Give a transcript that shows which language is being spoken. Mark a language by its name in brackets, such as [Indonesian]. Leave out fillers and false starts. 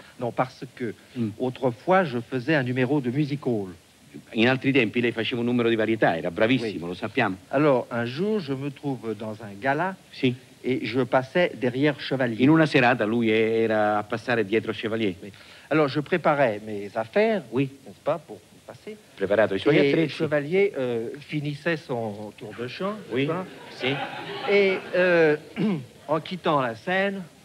[French] Non, parce que autrefois je faisais un numéro de music hall. [Italian] In altri tempi lei faceva un numero di varietà, era bravissimo, lo sappiamo. [French] Alors, un jour je me trouve dans un gala. [Italian] Sì. [French] Et je passais derrière Chevalier. [Italian] In una serata lui era a passare dietro Chevalier. [French] Oui. Alors, je préparais mes affaires, oui, n'est-ce pas, pour passer. [Italian] Preparato i suoi attrezzi. [French] Et Chevalier finissait son tour de chant. Oui, pas. [Italian] Si. [French] Et en quittant la scène...